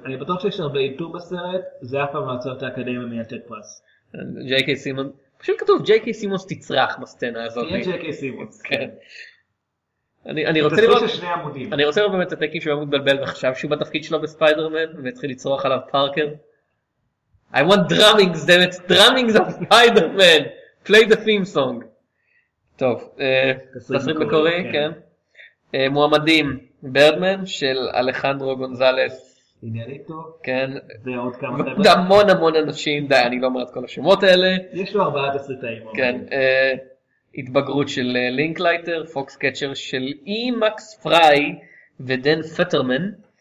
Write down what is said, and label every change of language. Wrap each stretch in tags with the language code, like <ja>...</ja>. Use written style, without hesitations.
<he>אני בטוח שיש הרבה איתור בסרט, זה אף פעם מעצור את האקדמיה מייתת פרס. ג'יי קיי סימון, פשוט כתוב ג'יי קיי סימון תצרח בסצנה הזאת. תהיה ג'יי קיי סימון. כן. אני רוצה לראות... תסריט של שני עמודים. אני רוצה לראות באמת את הטקי שהוא היה מתבלבל וחשב שהוא בתפקיד שלו בספיידרמן, והתחיל לצרוח עליו פארקר.</he> <en>I want drumming, damn it, drumming of Spider-Man. Play the theme song.</en> <he>טוב, תסריט מקורי, כן. מועמדים, ברדמן של אלחנדרו גונזלס. אינריטו. כן. ועוד כמה חבר'ה. ועוד המון המון אנשים, די, אני לא אומר את כל השמות האלה. יש לו ארבעה תסריטאים. כן. התבגרות של לינקלייטר, פוקס קצ'ר של אי מקס פריי ודן פטרמן.</he>